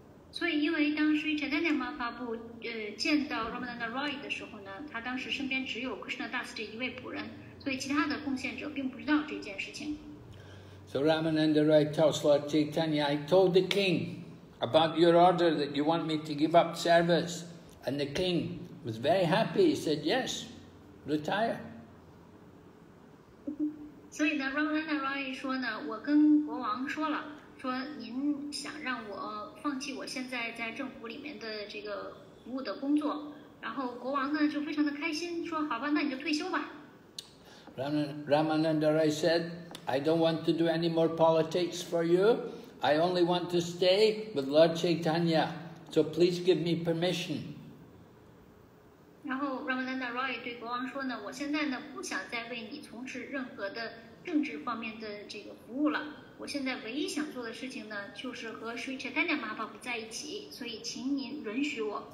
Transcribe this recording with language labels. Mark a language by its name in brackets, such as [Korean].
[English] So, because when Sri Chaitanya Mahaprabhu, met Ramananda Rai, he was only with Krishna Das, one servant, so other devotees didn't know this. So Ramananda Rai tells Lord Chaitanya, "I told the king about your order that you want me to give up service," and the king was very happy. He said, "Yes." Retire. [Chinese] 所以呢 ，Ramananda Rai 说呢，我跟国王说了，说您想让我放弃我现在在政府里面的这个服务的工作，然后国王呢就非常的开心，说好吧，那你就退休吧。 [English] Ramananda Rai said, "I don't want to do any more politics for you. I only want to stay with Lord Chaitanya. So please give me permission." [Chinese] 然后 Ramananda Rai 对国王说呢，我现在呢不想再为你从事任何的政治方面的这个服务了，我现在唯一想做的事情呢就是和 Sri Chaitanya Mahaprabhu 在一起，所以请您允许我。